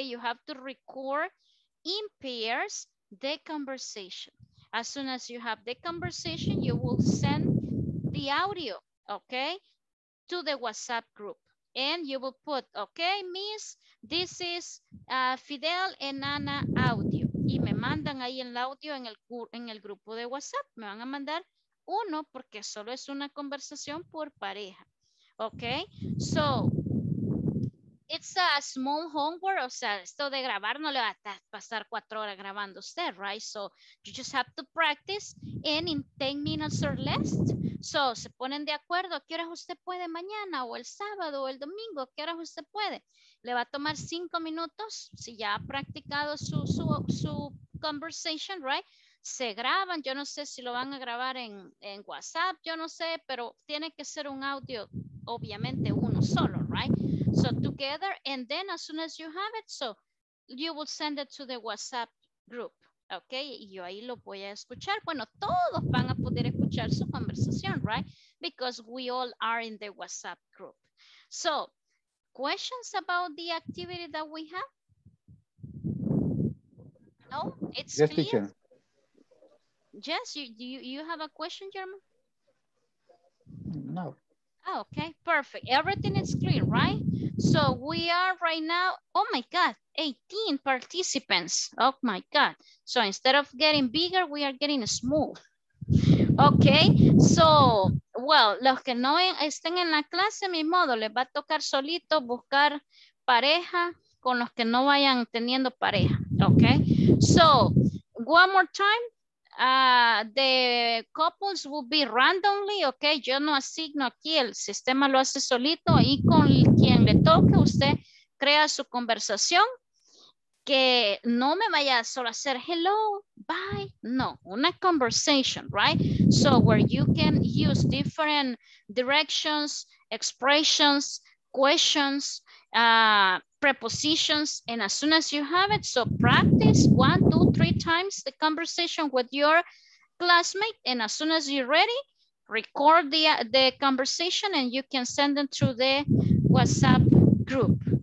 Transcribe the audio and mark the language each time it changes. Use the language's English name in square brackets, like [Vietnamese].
[English] You have to record in pairs the conversation. As soon as you have the conversation, you will send the audio, okay, to the WhatsApp group, and you will put, okay, miss, this is Fidel and Ana audio. [Spanish] Y me mandan ahí el audio en el grupo de WhatsApp. Me van a mandar uno porque solo es una conversación por pareja. [English] Okay, so it's a small homework. [Spanish] O sea, esto de grabar no le va a pasar 4 horas grabando usted, right? [English] So you just have to practice and in 10 minutes or less. [Spanish] So se ponen de acuerdo, ¿qué horas usted puede mañana o el sábado o el domingo? ¿Qué horas usted puede? Le va a tomar 5 minutos si ya ha practicado su conversation, right? Se graban, yo no sé si lo van a grabar en WhatsApp, yo no sé, pero tiene que ser un audio, obviamente uno solo, right? [English] So together, and then as soon as you have it, so you will send it to the WhatsApp group, okay? [Spanish] Y yo ahí lo voy a escuchar. Bueno, todos van a poder escuchar su conversación, right? [English] Because we all are in the WhatsApp group. So, questions about the activity that we have? No, it's yes, clear? Teacher. Yes, you have a question, German? No. Oh, okay, perfect. Everything is clear, right? So we are right now, oh my God, 18 participants. Oh my God. So instead of getting bigger, we are getting small. [Spanish] Okay, so, well, los que no estén en la clase, mi modo, les va a tocar solito buscar pareja con los que no vayan teniendo pareja. [English] Okay, so one more time. The couples will be randomly, okay? [Spanish] Yo no asigno aquí, el sistema lo hace solito y con quien le toque, usted crea su conversación, que no me vaya solo a hacer hello, bye, no, una conversation, right? [English] So where you can use different directions, expressions, questions, prepositions, and as soon as you have it, so practice 1, 2, 3 times the conversation with your classmate, and as soon as you're ready, record the conversation and you can send them through the WhatsApp group.